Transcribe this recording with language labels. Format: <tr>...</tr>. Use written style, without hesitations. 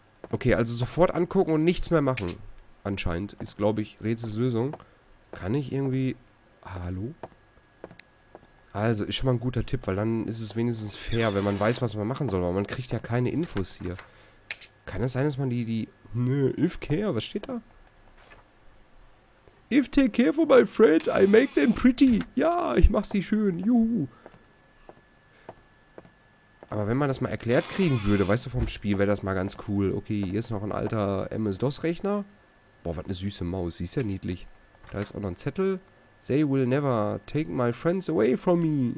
<de>Okay, also sofort angucken und nichts mehr machen. Anscheinend ist, glaube ich, Rätsellösung. Kann ich irgendwie... Hallo? Also, ist schon mal ein guter Tipp, weil dann ist es wenigstens fair, wenn man weiß, was man machen soll. Aber man kriegt ja keine Infos hier. Kann es sein, dass man die... Nö,</de> <en>if care,</en> <de>was steht da?</de> <en>If take care for my friends, I make them pretty.</en> <de>Ja, ich mach sie schön, juhu. Aber wenn man das mal erklärt kriegen würde, weißt du, vom Spiel wäre das mal ganz cool. Okay, hier ist noch ein alter MS-DOS-Rechner. Boah, was eine süße Maus, sie ist ja niedlich. Da ist auch noch ein Zettel.</de> <en>They will never take my friends away from me.</en>